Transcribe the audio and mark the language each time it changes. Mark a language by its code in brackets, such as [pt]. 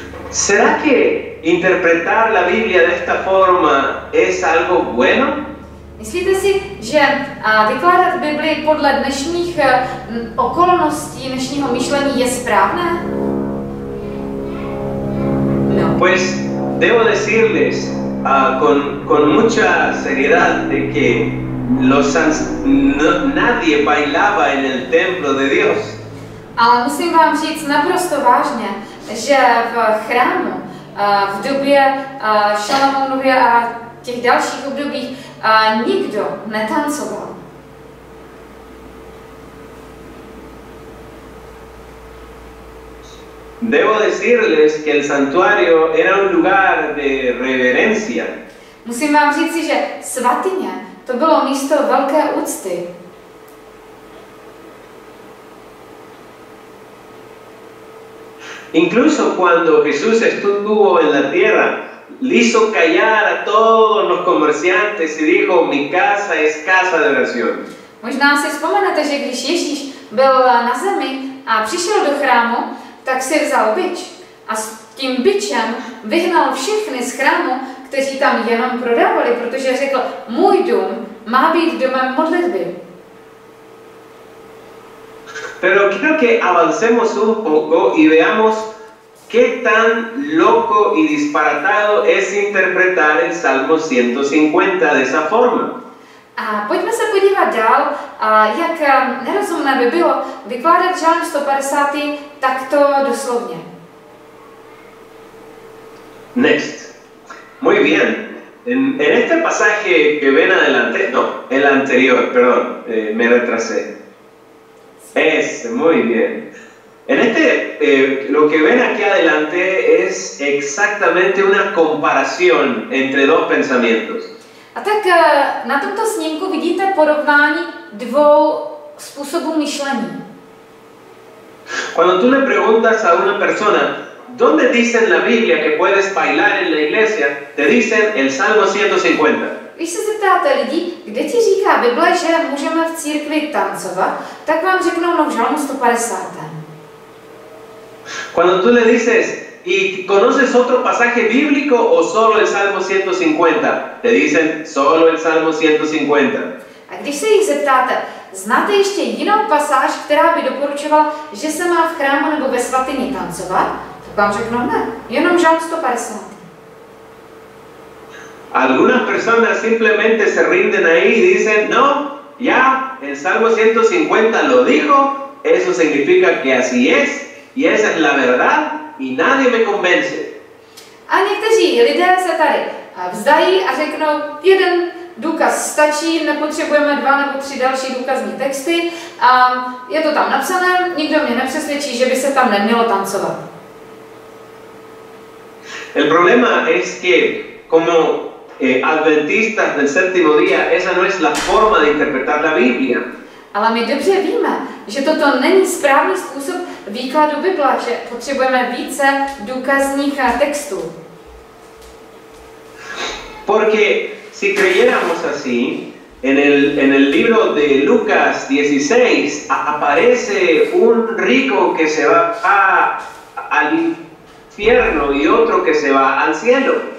[es] ¿Será que interpretar la Biblia de esta forma es algo bueno? [cs] Myslíte si, že vykládat Bibli podle dnešních okolností, dnešního myšlení je správné? [es] No. Pues debo decirles con mucha seriedad de que nadie bailaba en el templo de Dios. [cs] Ale musím vám říct naprosto vážně, že v chrámu v době Šalamounově a těch dalších obdobích nikdo netancoval. [es] Debo decirles que el santuario era un lugar de reverencia. [cs] Musím vám říci, že svatyně to bylo místo velké úcty. [es] Incluso cuando Jesús estuvo en la tierra, hizo callar a todos los comerciantes y dijo, mi casa es casa de oración. [cs] Možná si vzpomenete, že když Ježíš byl na zemi a přišel do chrámu, tak si vzal bič a s tím bičem vyhnal všechny z chrámu, kteří tam jenom prodávali, protože řekl, můj dům má být domem modlitby. [es] Pero quiero que avancemos un poco y veamos qué tan loco y disparatado es interpretar el Salmo 150 de esa forma. [cs] A pojďme se podívat dál, jak nerozumné by bylo vykládat žalm 150. takto doslovně. [es] Next. Muy bien. En este pasaje que ven adelante, no, el anterior, perdón, me retrasé. Muy bien. En este, lo que ven aquí adelante es exactamente una comparación entre dos pensamientos. [cs] A tak na tomto snímku vidíte porovnání dvou způsobů myšlení. [es] Cuando tú le preguntas a una persona, ¿dónde dice en la Biblia que puedes bailar en la iglesia? Te dicen el Salmo 150. [cs] Když se zeptáte lidí, kde ti říká Bible, že můžeme v církvi tancovat, tak vám řeknou no, v Žalmu 150. [es] Cuando tú le dices, ¿y conoces otro pasaje bíblico o solo el Salmo 150? Te dicen solo el Salmo 150. [cs] A když se jich zeptáte, znáte ještě jinou pasáž, která by doporučovala, že se má v chrámu nebo ve svatyni tancovat? Tak vám řeknou ne, jenom Žalm 150. [es] Algunas personas simplemente se rinden ahí y dicen, no, ya, el Salmo 150 lo dijo, eso significa que así es, y esa es la verdad, y nadie me convence. [cs] A někteří lidé se tady vzdají a řeknou, jeden důkaz stačí, nepotřebujeme dva nebo tři další důkazní texty, a je to tam napsané, nikdo mě nepřesvědčí, že by se tam nemělo tancovat. [es] El problema es que, como adventistas del séptimo día, esa no es la forma de interpretar la Biblia. [cs] Ale my dobře víme, že toto není správný způsob výkladu Bible, že potřebujeme více důkazních textů. [es] Porque si creyéramos así, en el libro de Lucas 16 aparece un rico que se va al infierno y otro que se va al cielo.